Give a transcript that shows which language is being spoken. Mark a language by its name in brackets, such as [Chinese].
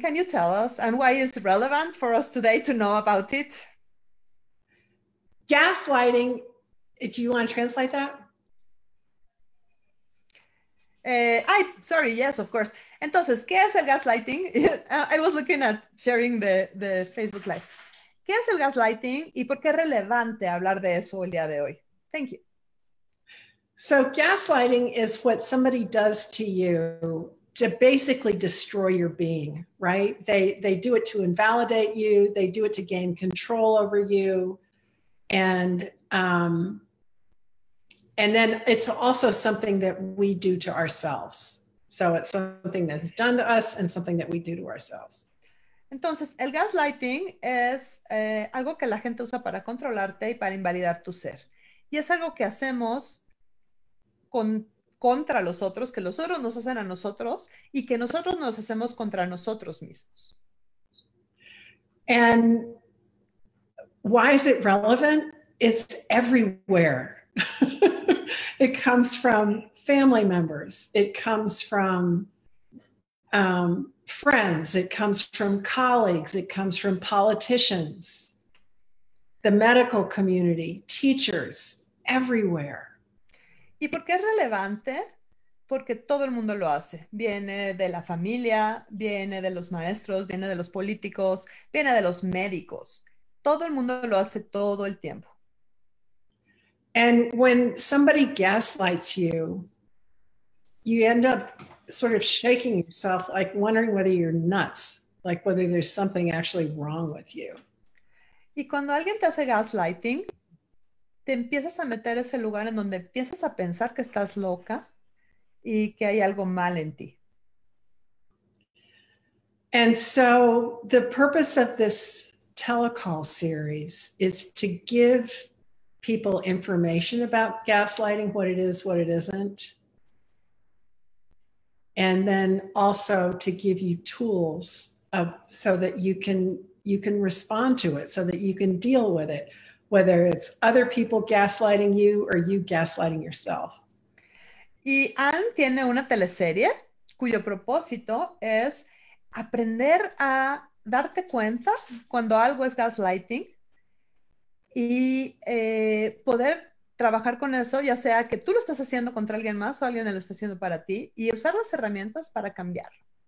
[English] Can you tell us, and why is it relevant for us today to know about it? Gaslighting, do you want to translate that? Sorry, yes, of course. [Spanish] Entonces, ¿qué es el gaslighting? [English] I was looking at sharing the Facebook Live. [Spanish] ¿Qué es el gaslighting y por qué es relevante hablar de eso el día de hoy? [English] Thank you. So gaslighting is what somebody does to you to basically destroy your being, right? They do it to invalidate you, they do it to gain control over you. And then it's also something that we do to ourselves. So it's something that's done to us and something that we do to ourselves. [Spanish] Entonces, el gaslighting es algo que la gente usa para controlarte y para invalidar tu ser. Y es algo que hacemos contra los otros, que los otros nos hacen a nosotros y que nosotros nos hacemos contra nosotros mismos. [English] And why is it relevant? It's everywhere. It comes from family members. It comes from friends. It comes from colleagues. It comes from politicians, the medical community, teachers, everywhere. [Spanish] ¿Y por qué es relevante? Porque todo el mundo lo hace. Viene de la familia, viene de los maestros, viene de los políticos, viene de los médicos. Todo el mundo lo hace todo el tiempo. [English] And when somebody gaslights you, you end up sort of shaking yourself, like wondering whether you're nuts, like whether there's something actually wrong with you. [Spanish] Y cuando alguien te hace gaslighting, te empiezas a meter ese lugar en donde empiezas a pensar que estás loca y que hay algo mal en ti. [English] And so the purpose of this telecall series is to give people information about gaslighting, what it is, what it isn't. And then also to give you tools so that you can respond to it, so that you can deal with it, whether it's other people gaslighting you or you gaslighting yourself. [Spanish] Y Anne tiene una teleserie cuyo propósito es aprender a darte cuenta cuando algo es gaslighting y poder trabajar con eso, ya sea que tú lo estás haciendo contra alguien más o alguien lo está haciendo para ti, y usar las herramientas para cambiarlo.